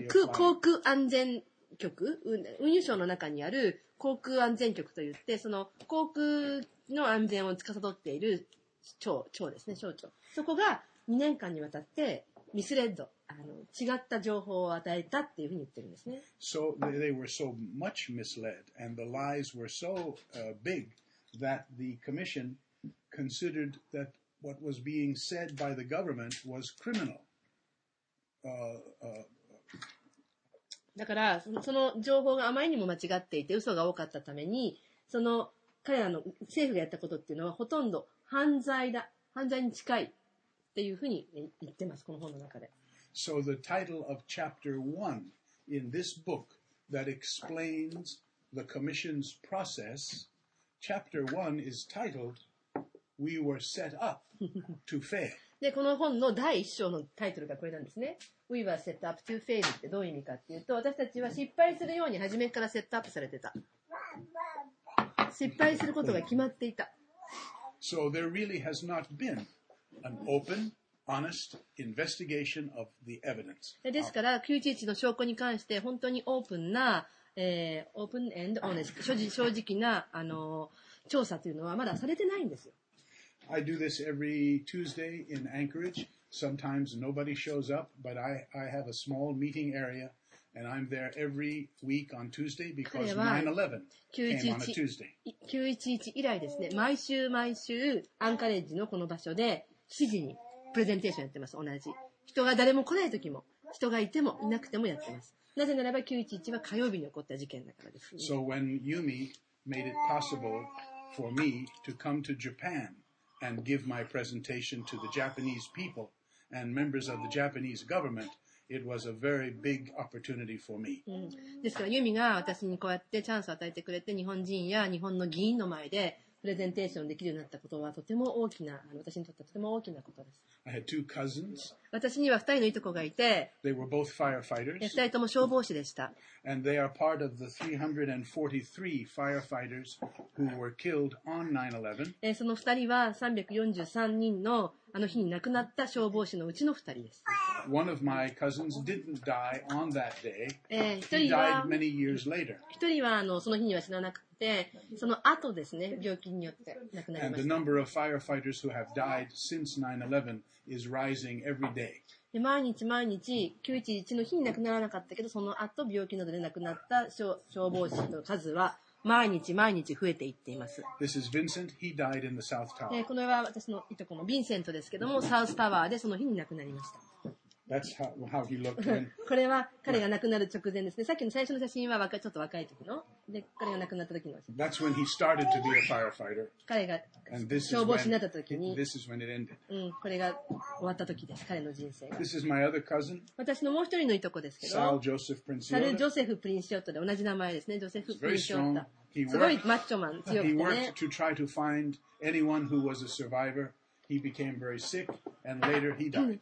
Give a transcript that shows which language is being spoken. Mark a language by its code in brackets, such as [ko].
[ja] 航空安全局、運輸省の中にある航空安全局といって、その航空の安全を司っている庁ですね、省庁。そこが2年間にわたってミスレッド。あの違った情報を与えたっていうふうに言ってるんですね。 [en] So they were so much misled and the lies were so big that the commission considered that what was being said by the government was criminal. [ja] だからその情報があまりにも間違っていて嘘が多かったためにその彼らの政府がやったことっていうのはほとんど犯罪だ犯罪に近いっていうふうに言ってますこの本の中で。 [en] So the title of chapter 1 in this book that explains the commission's process, chapter 1 is titled, We Were Set Up to Fail. [ja] で、この本の第1章のタイトルがこれなんですね。 [en] We Were Set Up to Fail [ja] ってどういう意味かっていうと、私たちは失敗するように初めからセットアップされてた。失敗することが決まっていた。 [en] So there really has not been an openHonest investigation of the evidence. [ja] ですから、911の証拠に関して本当にオープンな、オープン [en] and honest [ja] 正直な、調査というのはまだされてないんですよ。 [en] I do this every Tuesday in Anchorage. Sometimes nobody shows up, but I have a small meeting area, and I'm there every week on Tuesday because 9/11 came on a Tuesday. [ja] 911以来ですね、毎週毎週アンカレッジのこの場所で7時に。プレゼンテーションやってます同じ人が誰も来ない時も人がいてもいなくてもやってますなぜならば911は火曜日に起こった事件だからです、ね、 [en] So when Yumi made it possible for me to come to Japan and give my presentation to the Japanese people and members of the Japanese government it was a very big opportunity for me、 [ja] うん、ですから Yumi が私にこうやってチャンスを与えてくれて日本人や日本の議員の前でプレゼンテーションできるようになったことはとても大きな私にとってはとても大きなことです。 [en] I had two cousins. [ja] 私には2人のいとこがいて、 [en] They were both firefighters. [ja] 2人とも消防士でした。 [en] And they are part of the 343 firefighters who were killed on 9/11. [ja] その2人は343人のあの日に亡くなった消防士のうちの2人です。 [en] One of my cousins didn't die on that day. [ja] 1人は [en] He died many years later. [ja] 1人はその日には死ななくでその後ですね病気によって亡くなりました。 [en] And the number of firefighters who have died since 9/11 is rising every day. [ja] 毎日毎日911の日に亡くならなかったけどその後病気などで亡くなった消防士の数は毎日毎日増えていっています。 [en] This is Vincent. He died in the South Tower. [ja] これは私のいとこのヴィンセントですけどもサウスタワーでその日に亡くなりました。 [en] That's how he looked when... [ja] これは彼が亡くなる直前ですね。さっきの最初の写真はちょっと若い時の。で、彼が亡くなった時の。 [en] That's when he started to be a firefighter. [ja] 彼が消防士になった時に。 [en] This is when it ended. [ja] うん、これが終わった時です。彼の人生が。 [en] This is my other cousin. [ja] 私のもう一人のいとこですけど。 [en] Sal Joseph Princiotta. [ja] サル・ジョセフ・プリンシオットで同じ名前ですね。ジョセフ・プリンシオット。すごいマッチョマン、強くてね。 [en] He worked to try to find anyone who was a survivor. He became very sick And later he died.